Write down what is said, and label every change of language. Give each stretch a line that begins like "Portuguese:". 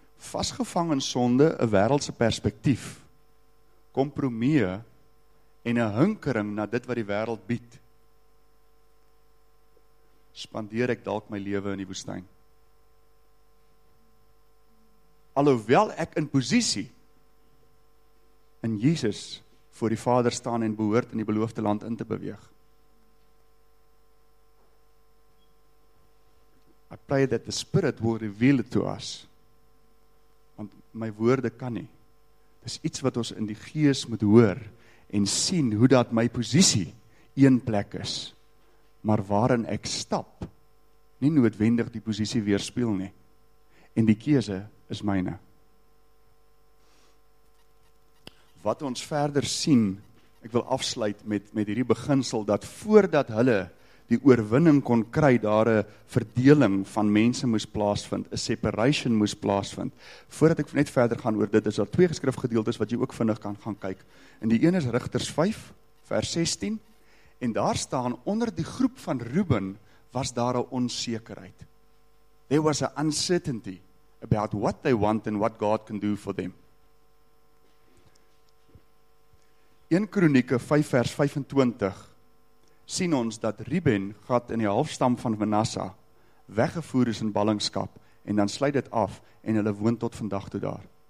Afrikaans: Vasgevang in sonde, 'n wêreldse perspektief, kompromie en 'n hinkering na dit wat die wêreld bied, spandeer ek dalk my lewe in die woestyn. Alhoewel ek in posisie in Jesus voor die Vader staan en behoort in die beloofde land in te beweeg.
English: I pray that the Spirit will reveal it to us.
Afrikaans: Want my woorde kan nie. Dis iets wat ons in die Gees moet hoor en sien hoe dat my posisie een plek is, maar waarin ek stap, nie noodwendig die posisie weerspieël nie. En die keuse is myne. Wat ons verder sien, ek wil afsluit met hierdie beginsel, dat voordat hulle die oorwinning kon kry, daar 'n verdeling van mense moes plaasvind, 'n separation moes plaasvind. Voordat ek net verder gaan oor dit, is daar 2 geskrifgedeeltes wat jy ook vinnig kan gaan kyk. En die een is Rigters 5 vers 16, en daar staan, onder die groep van Reuben was daar 'n onsekerheid.
English: There was a uncertainty about what they want and what God can do for them.
Afrikaans: 1 Kronieke 5 vers 25 sien ons dat Reuben gat in die halfstam van Manasse weggevoer is in ballingskap en dan sluit dit af en hulle woon tot vandag toe daar.